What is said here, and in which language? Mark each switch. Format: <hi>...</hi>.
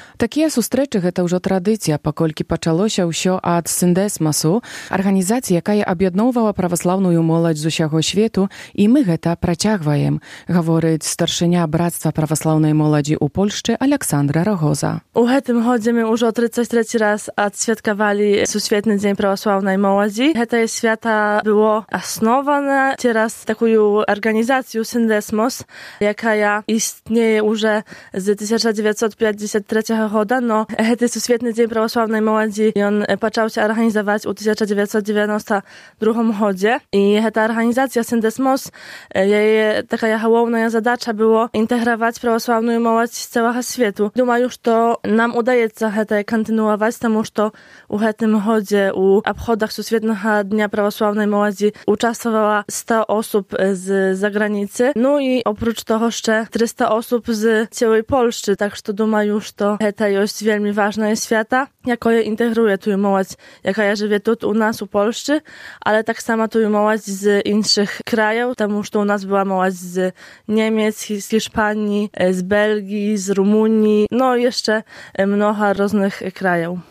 <be>Такія сустрэчы гэта ўжо традыцыя, паколькі пачалося ўсё ад Сындэсмасу, арганізацыі, якая аб'ядноўвала праваслаўную моладзь з усяго свету, і мы гэта працягваем, гаворыць старшыня брацтва праваслаўнай моладзі ў Польшчы Александра Рагоза.</be> <ru>В этом году мы уже 33 раз отсвяткавали Сусветный день православной молодзи. Это свято было основано через такую организацию Сындэсмас, якая існее уже с 1953 года, но этот Сусветный день православной молодзи он пачаўся организовать в 1992 году. И эта организация Сындэсмас, ее такая главная задача была интегровать православную молодзь с целого света.</ru> <be>Думаю, что нам удаецца гэта кантынуаваць, таму што ў гэтым годзе ў абходах сусветнага дня праваслаўнай моладзі ўчаствавала 100 асоб з заграніцы. Ну і апроч таго яшчэ 300 асоб з цэлай Польшчы, так што думаю, што гэта ёсць вельмі важнае свята, якое інтэгруе тую моладзь, якая жыве тут у нас у Польшчы, але таксама тую моладзь з іншых краяў, таму што ў нас была моладзь з Немец, з Іспаніі, з Бельгіі, з Румуніі, ну яшчэ многа розных краяў.</be>